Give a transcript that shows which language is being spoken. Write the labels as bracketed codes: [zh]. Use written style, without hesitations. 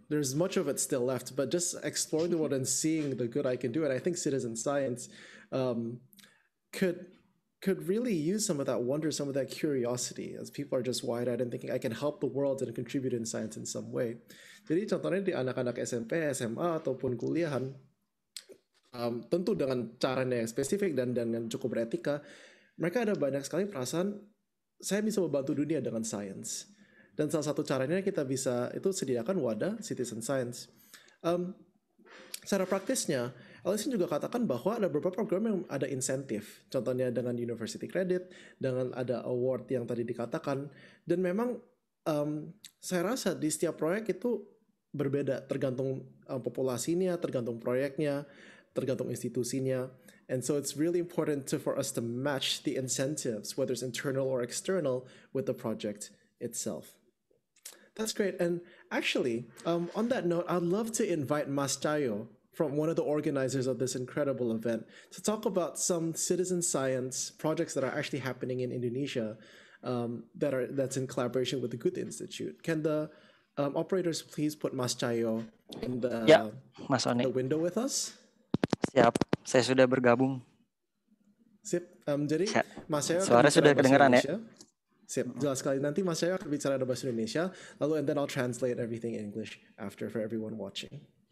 [en] There's much of it still left, but just exploring the world and seeing the good I can do, and I think citizen science could really use some of that wonder, some of that curiosity, as people are just wide-eyed and thinking, I can help the world and contribute in science in some way. [id] Jadi contohnya di anak-anak SMP, SMA, ataupun kuliahan, tentu dengan caranya yang spesifik dan dengan cukup beretika, mereka ada banyak sekali perasaan, saya bisa membantu dunia dengan science. Dan salah satu caranya kita bisa itu sediakan wadah citizen science. Secara praktisnya, Alison juga katakan bahwa ada beberapa program yang ada insentif. Contohnya dengan university credit, dengan ada award yang tadi dikatakan. Dan memang saya rasa di setiap proyek itu berbeda tergantung populasinya, tergantung proyeknya, tergantung institusinya. [en] And so it's really important for us to match the incentives, whether it's internal or external, with the project itself. That's great. And actually, on that note, I'd love to invite Mas Chayo from one of the organizers of this incredible event to talk about some citizen science projects that are actually happening in Indonesia that's in collaboration with the Goethe Institute. Can the operators please put Mas Chayo in the, yeah, Mas Oni, the window with us? [id] Siap, saya sudah bergabung. Sip, jadi siap. Mas Chayo, suara sudah kedengeran ya? Sip, jelas sekali. Nanti Mas Chayo akan bicara dalam bahasa Indonesia, lalu [en] and then I'll translate everything in English after for everyone watching.